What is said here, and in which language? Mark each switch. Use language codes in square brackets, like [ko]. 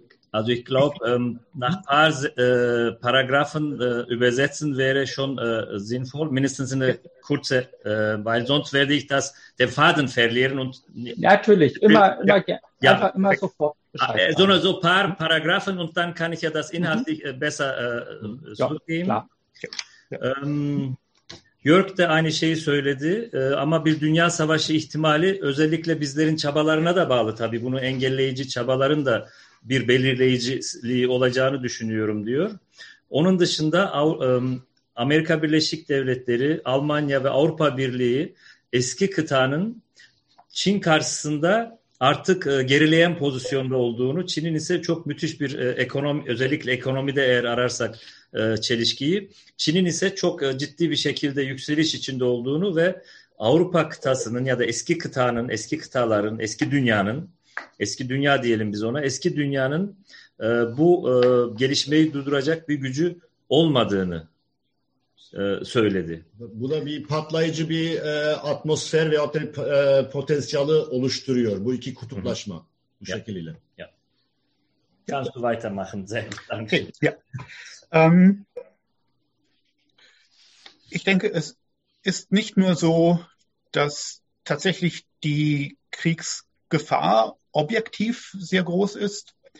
[de] Also ich glaube, nach ein paar Paragraphen übersetzen wäre schon sinnvoll, mindestens eine kurze, weil sonst werde ich das den Faden verlieren. Und natürlich, immer sofort Bescheid. So ein paar Paragraphen und dann kann ich ja das inhaltlich besser zurückgeben. [tr] Jörg de aynı şeyi söyledi ama bir dünya savaşı ihtimali özellikle bizlerin çabalarına da bağlı tabii. Bunu engelleyici çabaların da bir belirleyiciliği olacağını düşünüyorum diyor. Onun dışında Amerika Birleşik Devletleri, Almanya ve Avrupa Birliği eski kıtanın Çin karşısında artık gerileyen pozisyonda olduğunu, Çin'in ise çok müthiş bir ekonomi, özellikle ekonomide eğer ararsak çelişkiyi, Çin'in ise çok ciddi bir şekilde yükseliş içinde olduğunu ve Avrupa kıtasının ya da eski kıtanın, eski kıtaların, eski dünyanın, eski dünya diyelim biz ona, eski dünyanın bu gelişmeyi durduracak bir gücü olmadığını söyledi. Bu da bir patlayıcı bir atmosfer ve potansiyeli oluşturuyor bu iki kutuplaşma bu şekliyle. [de] Ja. Kannst du weitermachen, sehr gut. Ja. Ich denke, es ist nicht nur so, dass tatsächlich die Kriegsgefahr objektiv sehr groß ist.